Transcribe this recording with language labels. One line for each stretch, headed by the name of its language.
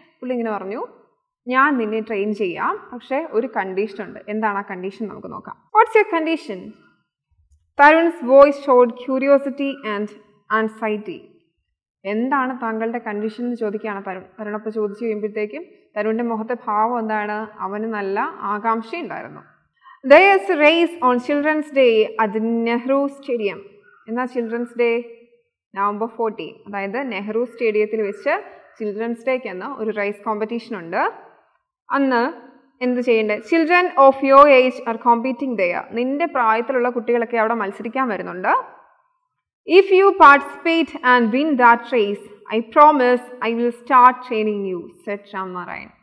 Malayalam: പുള്ളി ഇങ്ങനെ പറഞ്ഞു, ഞാൻ നിന്നെ ട്രെയിൻ ചെയ്യാം, പക്ഷേ ഒരു കണ്ടീഷൻ ഉണ്ട്. എന്താണ് ആ കണ്ടീഷൻ നമുക്ക് നോക്കാം.
English: What's your condition? Tarun's voice showed curiosity and anxiety.
Malayalam: എന്താണ് താങ്കളുടെ കണ്ടീഷൻ എന്ന് ചോദിക്കുകയാണ് തരുൺ. തരുണപ്പം ചോദിച്ചു കഴിയുമ്പോഴത്തേക്കും തരുണിൻ്റെ മുഖത്തെ ഭാവം എന്താണ്? അവന് നല്ല ആകാംക്ഷയുണ്ടായിരുന്നു.
English: There is a race on Children's Day at the Nehru Stadium.
Malayalam: എന്നാ ചിൽഡ്രൻസ് ഡേ? നവംബർ 14. അതായത് നെഹ്റു സ്റ്റേഡിയത്തിൽ വെച്ച് ചിൽഡ്രൻസ് ഡേക്ക് എന്ന ഒരു റേസ് കോമ്പറ്റീഷൻ ഉണ്ട്. അന്ന് എന്ത് ചെയ്യേണ്ടത്?
English: Children of your age are competing there.
Malayalam: നിന്റെ പ്രായത്തിലുള്ള കുട്ടികളൊക്കെ അവിടെ മത്സരിക്കാൻ വരുന്നുണ്ട്.
English: If you participate and win that race I promise I will start training you, said Ram Narayan.